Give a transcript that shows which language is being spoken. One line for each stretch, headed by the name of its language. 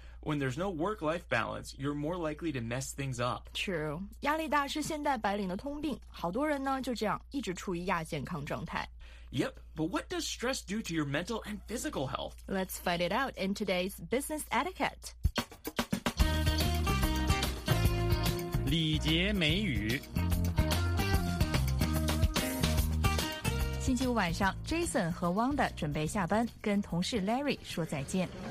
English: When there's no work-life balance, you're more likely to mess things up. True.
Chinese: 压力大是现代白领的通病，好多人呢就这样一直处于亚健康状态。
English: Yep, but what does stress do to your mental and physical health? Let's find it out in today's business etiquette.
Chinese: 礼节美语。星期五晚上 ，Jason 和 Wanda 准备下班，跟同事 Larry 说再见。